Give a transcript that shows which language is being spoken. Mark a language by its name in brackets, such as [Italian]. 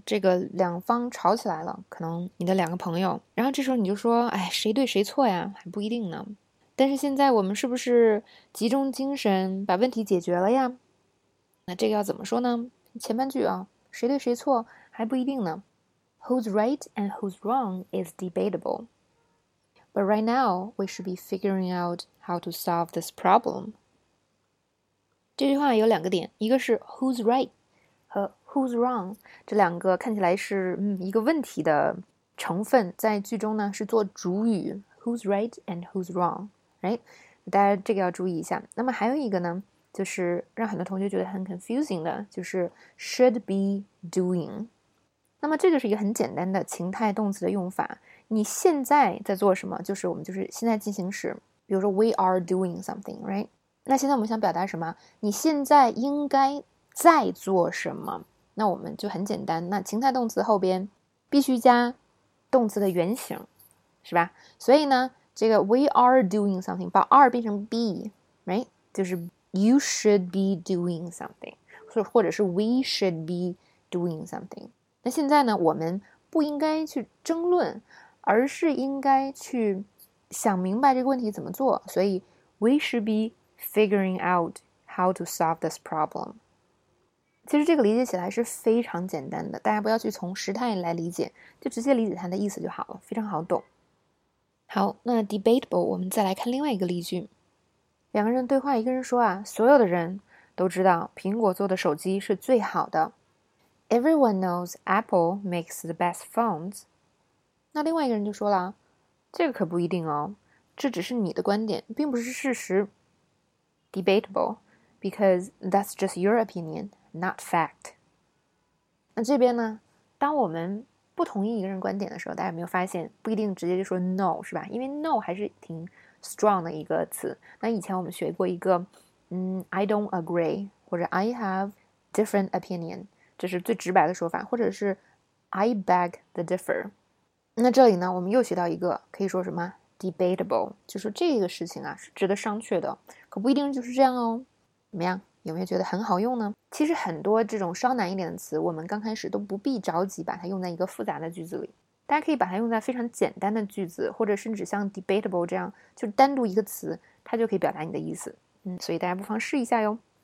[Chinese] 这个两方吵起来了，可能你的两个朋友，然后这时候你就说，哎，谁对谁错呀，还不一定呢。但是现在我们是不是集中精神把问题解决了呀？那这个要怎么说呢？前半句啊，谁对谁错还不一定呢。 [English] Who's right and who's wrong is debatable. But right now, we should be figuring out how to solve this problem. [Chinese] 这句话有两个点，一个是 [English] who's right 和 who's wrong， 这两个看起来是一个问题的成分，在句中呢是做主语 who's right and who's wrong， right？ [Chinese] 大家这个要注意一下。那么还有一个呢，就是让很多同学觉得很 confusing 的，就是 [English] should be doing。 [Chinese] 那么这就是一个很简单的情态动词的用法，你现在在做什么，就是我们就是现在进行时，比如说 [English] we are doing something， right？ [Chinese] 那现在我们想表达什么，你现在应该在做什么，那我们就很简单，那情态动词后边必须加动词的原形，是吧？所以呢，这个 [English] we are doing something [Chinese] 把 [English] are [Chinese] 变成 [English] be， right？ [Chinese] 就是 [English] you should be doing something， [Chinese] 或者是 [English] we should be doing something。 [Chinese] 那现在呢，我们不应该去争论，而是应该去想明白这个问题怎么做。所以 [English] we should be figuring out how to solve this problem。 [Chinese] 其实这个理解起来是非常简单的，大家不要去从时态来理解，就直接理解它的意思就好了，非常好懂。好，那 debatable 我们再来看另外一个例句。两个人对话，一个人说啊，所有的人都知道苹果做的手机是最好的。 [English] Everyone knows Apple makes the best phones. [Chinese] 那另外一个人就说了，这个可不一定哦，这只是你的观点，并不是事实。 [English] Debatable, because that's just your opinion, not fact. [Chinese] 那这边呢，当我们不同意一个人观点的时候，大家有没有发现，不一定直接就说 no, 是吧？因为 no 还是挺 strong 的一个词。那以前我们学过一个， [English] I don't agree, [Chinese] 或者 [English] I have different opinion. [Chinese] 这是最直白的说法，或者是 [English] I beg the differ。 [Chinese] 那这里呢，我们又学到一个可以说什么 debatable， 就是这个事情啊是值得商榷的，可不一定就是这样哦。怎么样，有没有觉得很好用呢？其实很多这种稍难一点的词，我们刚开始都不必着急把它用在一个复杂的句子里，大家可以把它用在非常简单的句子，或者甚至像 debatable 这样，就单独一个词它就可以表达你的意思。所以大家不妨试一下哟。